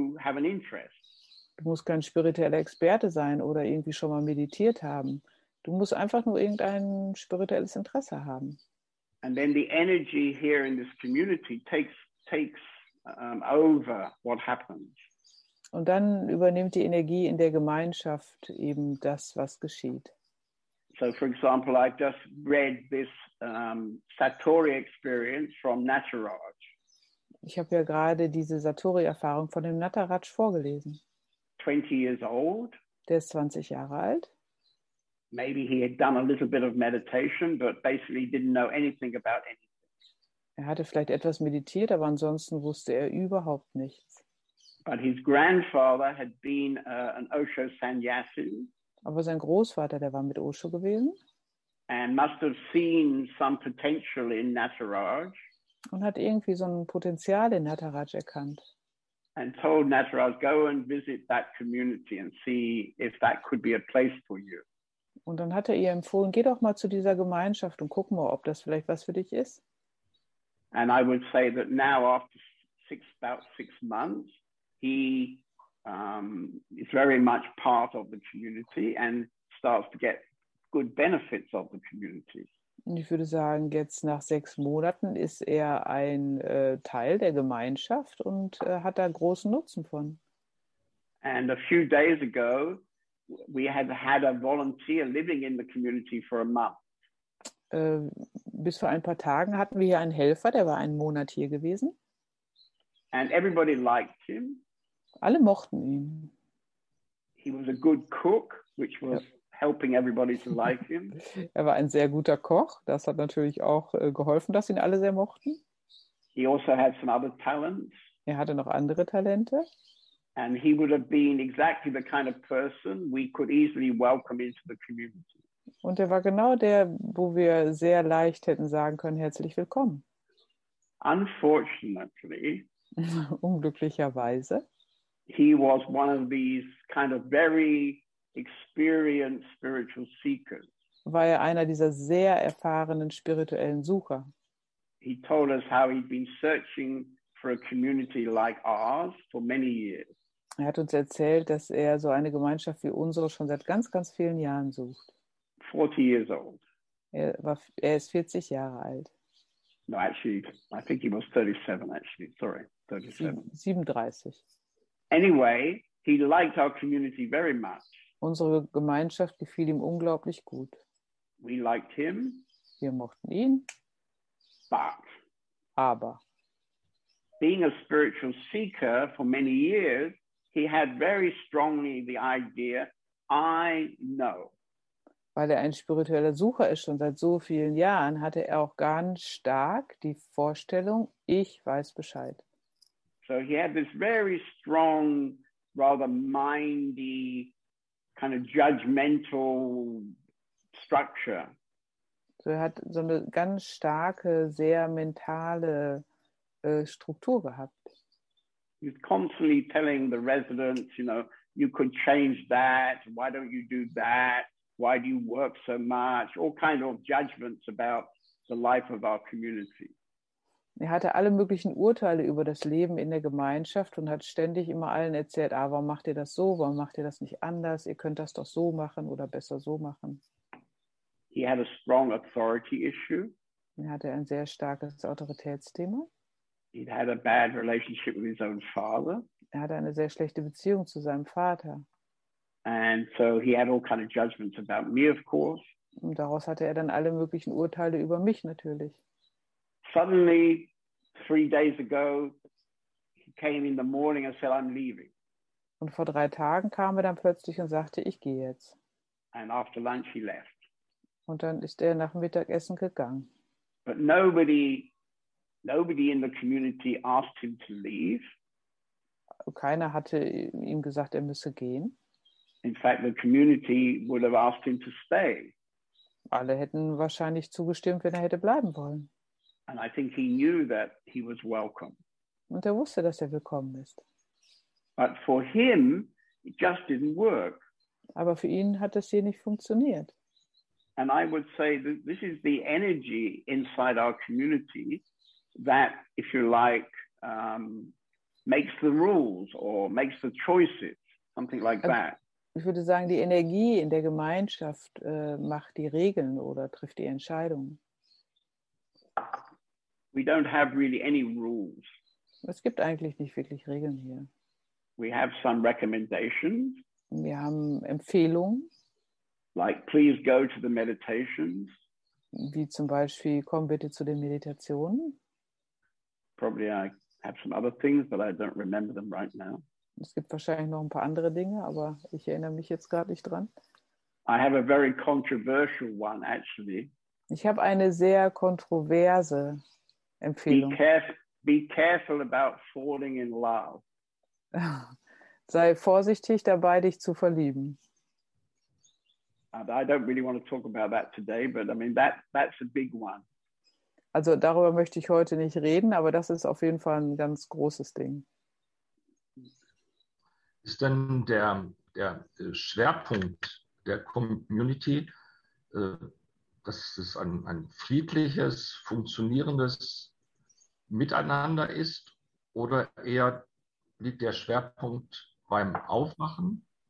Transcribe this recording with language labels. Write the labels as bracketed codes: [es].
[de] Du musst kein spiritueller Experte sein oder irgendwie schon mal meditiert haben. Du musst einfach nur irgendein spirituelles Interesse haben. [en] And then the energy here in this community takes over what happens. [de] Und dann übernimmt die Energie in der Gemeinschaft eben das, was geschieht. [en] So for example, I just read this Satori experience from Nataraj. [de] Ich habe ja gerade diese Satori-Erfahrung von dem Nataraj vorgelesen. [en] 20 years old. [de] Der ist 20 Jahre alt. [en] Maybe he had done a little bit of meditation, but basically didn't know anything about anything. [de] Er hatte vielleicht etwas meditiert, aber ansonsten wusste er überhaupt nichts. [en] But his grandfather had been an Osho Sannyasin. [de] Aber sein Großvater, der war mit Osho gewesen. [en] And must have seen some potential in Nataraj. [de] Und hat irgendwie so ein Potenzial in Nataraj erkannt. [en] And told Nataraj, go and visit that community and see if that could be a place for you. [de] Und dann hat er ihr empfohlen, geh doch mal zu dieser Gemeinschaft und guck mal, ob das vielleicht was für dich ist. [en] And I would say that now after about six months, he is very much part of the community and starts to get good benefits of the community. [de] Ich würde sagen, jetzt nach 6 Monaten ist er ein Teil der Gemeinschaft und hat da großen Nutzen von. [en] And a few days ago, we had a volunteer living in the community for a month. [de] Bis vor ein paar Tagen hatten wir hier einen Helfer, der war einen Monat hier gewesen. [en] And everybody liked him. [de] Alle mochten ihn. [en] He was a good cook, which was helping everybody to like him. [de] Er war ein sehr guter Koch. Das hat natürlich auch geholfen, dass ihn alle sehr mochten. [en] He also had some other talents. [de] Er hatte noch andere Talente. [en] And he would have been exactly the kind of person we could easily welcome into the community. [de] Und er war genau der, wo wir sehr leicht hätten sagen können, herzlich willkommen. [en] Unfortunately, [de] unglücklicherweise, [en] he was one of these kind of very experienced spiritual seekers. [de] War er einer dieser sehr erfahrenen spirituellen Sucher. [en] He told us how he'd been searching for a community like ours for many years. [de] Er hat uns erzählt, dass er so eine Gemeinschaft wie unsere schon seit ganz, ganz vielen Jahren sucht. [en] 40 years old. [de] Er ist 40 Jahre alt. [en] No, actually, I think he was 37, actually. Sorry, 37. [de] 37. [en] Anyway, he liked our community very much. [de] Unsere Gemeinschaft gefiel ihm unglaublich gut. [en] We liked him. [de] Wir mochten ihn. [en] But [de] aber [en] being a spiritual seeker for many years, he had very strongly the idea, I know. [de] Weil er ein spiritueller Sucher ist schon seit so vielen Jahren, hatte er auch ganz stark die Vorstellung, ich weiß Bescheid. [en] So he had this very strong, rather mindy, kind of judgmental structure. [de] So er hat so eine ganz starke, sehr mentale Struktur gehabt. [en] He's constantly telling the residents, you know, you could change that, why don't you do that? Why do you work so much? All kinds of judgments about the life of our community. [de] Er hatte alle möglichen Urteile über das Leben in der Gemeinschaft und hat ständig immer allen erzählt, ah, warum macht ihr das so? Warum macht ihr das nicht anders? Ihr könnt das doch so machen oder besser so machen. [en] He had a strong authority issue. [de] Er hatte ein sehr starkes Autoritätsthema. [en] He had a bad relationship with his own father. [de] Er hatte eine sehr schlechte Beziehung zu seinem Vater. [en] And so he had all kind of judgments about me, of course. [de] Und daraus hatte er dann alle möglichen Urteile über mich natürlich. [en] Suddenly, 3 days ago, he came in the morning and said, I'm leaving. [de] Und vor 3 Tagen kam er dann plötzlich und sagte, ich gehe jetzt. [en] And after lunch he left. [de] Und dann ist er nach dem Mittagessen gegangen. [en] But nobody in the community asked him to leave. [de] Keiner hatte ihm gesagt, er müsse gehen. [en] In fact, the community would have asked him to stay. [de] Alle hätten wahrscheinlich zugestimmt, wenn er hätte bleiben wollen. [en] And I think he knew that he was welcome. [de] Und er wusste, dass er willkommen ist. [en] But for him, it just didn't work. [de] Aber für ihn hat das hier nicht funktioniert. [en] And I would say that this is the energy inside our community that, if you like, makes the rules or makes the choices, something like that. [de] Ich würde sagen, die Energie in der Gemeinschaft macht die Regeln oder trifft die Entscheidungen. [en] We don't have really any rules. [de] Es gibt eigentlich nicht wirklich Regeln hier. [en] We have some recommendations. [de] Wir haben Empfehlungen. [en] Like, please go to the meditations. [de] Wie zum Beispiel, komm bitte zu den Meditationen. [en] Probably I have some other things, but I don't remember them right now. [de] Es gibt wahrscheinlich noch ein paar andere Dinge, aber ich erinnere mich jetzt gerade nicht dran. [en] I have a very controversial one, actually. [de] Ich habe eine sehr kontroverse Empfehlung. [en] Be careful about falling in love. [de] Sei vorsichtig dabei, dich zu verlieben. [en] I don't really want to talk about that today, but I mean that's a big one. [de] Also darüber möchte ich heute nicht reden, aber das ist auf jeden Fall ein ganz großes Ding. Ist denn der Schwerpunkt der Community, dass es ein friedliches, funktionierendes Miteinander ist, oder eher liegt der Schwerpunkt beim Aufmachen?